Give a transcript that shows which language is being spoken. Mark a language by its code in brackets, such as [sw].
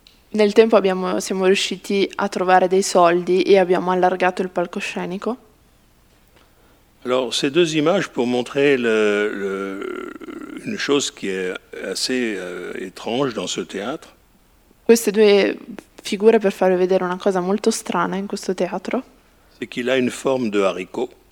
[it] Nel tempo siamo riusciti a trovare dei soldi e abbiamo allargato il palcoscenico. [fr] Alors, ces deux images pour montrer une chose qui est assez étrange dans ce théâtre. [it] Queste due figure per farvi vedere una cosa molto strana in questo teatro. [fr] C'est qu'il a une forme de haricot.